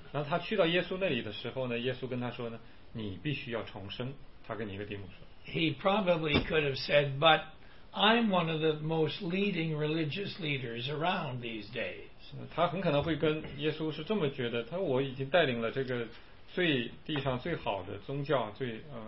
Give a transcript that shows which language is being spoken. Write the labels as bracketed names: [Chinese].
[Chinese] 那他去到耶稣那里的时候呢，耶稣跟他说呢，你必须要重生。他跟尼哥底母说。 [English] He probably could have said, but I'm one of the most leading religious leaders around these days. [Chinese] 他很可能会跟耶稣是这么觉得，他说我已经带领了这个最地上最好的宗教，最。